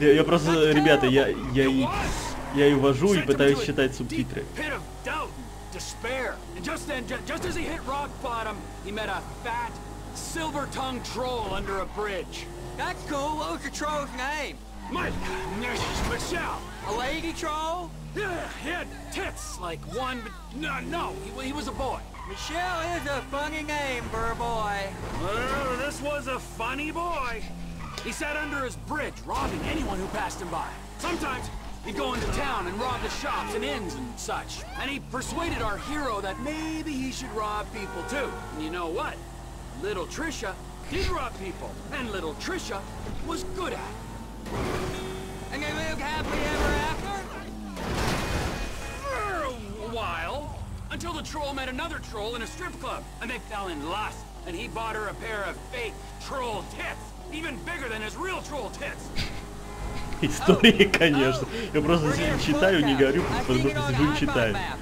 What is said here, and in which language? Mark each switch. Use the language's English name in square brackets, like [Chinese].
[Russian] Я просто, ребята, я его вожу и пытаюсь считать субтитры. [English] Pit of doubt, despair. And just then, just as he hit rock bottom, he met a fat, silver-tongued troll under a bridge. That's cool. What was the troll's name? Mike, Michelle. A lady troll? Yeah, he had tits like one, but no, he was a boy. Michelle is a funny name for a boy. This was a funny boy. He sat under his bridge, robbing anyone who passed him by. Sometimes he'd go into town and rob the shops and inns and such. And he persuaded our hero that maybe he should rob people too. And you know what? Little Trisha did rob people. And little Trisha was good at it. And they lived happily ever after? For a while. Until the troll met another troll in a strip club. And they fell in lust. And he bought her a pair of fake troll tits. Even bigger than his real troll tits. [Russian] История, конечно. Я просто читаю, не говорю, потому что сижу и читаю.